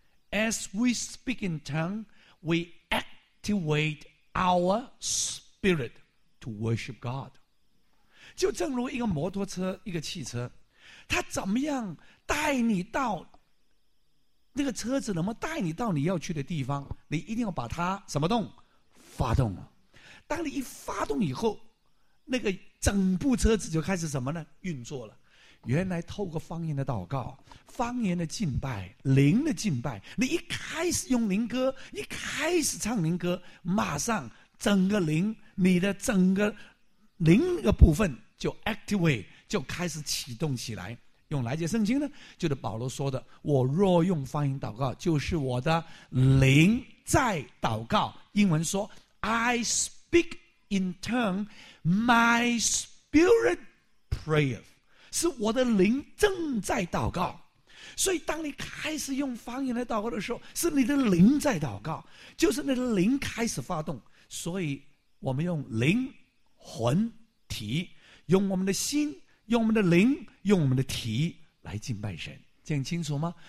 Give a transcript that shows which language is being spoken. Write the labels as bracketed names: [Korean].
[English] As we speak in tongue, we activate our spirit to worship God。 [Chinese] 就正如一个摩托车，一个汽车，它怎么样带你到那个车子，怎么带你到你要去的地方，你一定要把它什么动？发动。当你一发动以后，那个整部车子就开始什么呢？运作了。原来透过方言的祷告，方言的敬拜，灵的敬拜，你一开始用灵歌，一开始唱灵歌，马上整个灵，你的整个灵的部分就 activate， 就开始启动起来。用哪节圣经呢？就是保罗说的，我若用方言祷告，就是我的灵在祷告。英文说 [English] I speak in tongue, my spirit prayeth, [Chinese] 是我的灵正在祷告。所以当你开始用方言来祷告的时候，是你的灵在祷告，就是你的灵开始发动。所以我们用灵魂体，用我们的心，用我们的灵，用我们的体来敬拜神，这样清楚吗？